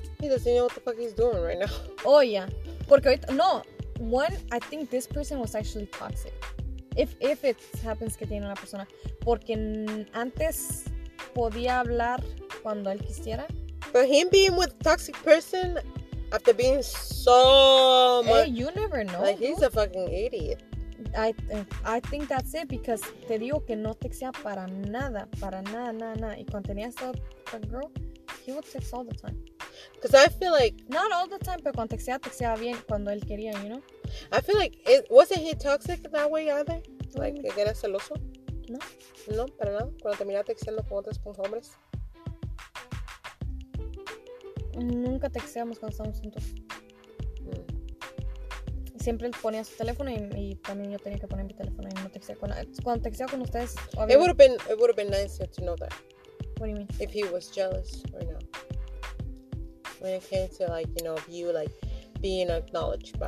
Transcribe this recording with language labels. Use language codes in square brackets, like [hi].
[en] He doesn't know what the fuck he's doing right now. [es] Oh yeah, porque ahorita, no. [en] One, I think this person was actually toxic. If it happens [es] que tiene una persona, porque antes podía hablar cuando él quisiera. [en] But him being with a toxic person after being so much. Hey, you never know. Like he's a fucking idiot. I think that's it, because [es] te digo que no texteaba para nada, nada, nada. Y cuando tenía esa otra girl, [en] he would text all the time. Because I feel like... Not all the time, [es] pero cuando texteaba, texteaba bien cuando él quería, you know? [en] I feel like, wasn't he toxic that way either? [es] Like, que era celoso? No. No, para nada. Cuando terminaba texteando con otros hombres. Nunca texteamos cuando estábamos juntos. Siempre él ponía su teléfono y también yo tenía que poner mi teléfono y no texteaba con nadie. Cuando texteaba con ustedes, obviamente. [en] It would have been nicer to know that. What do you mean? If he was jealous or no. When it came to, like, you know, of you, like, being acknowledged by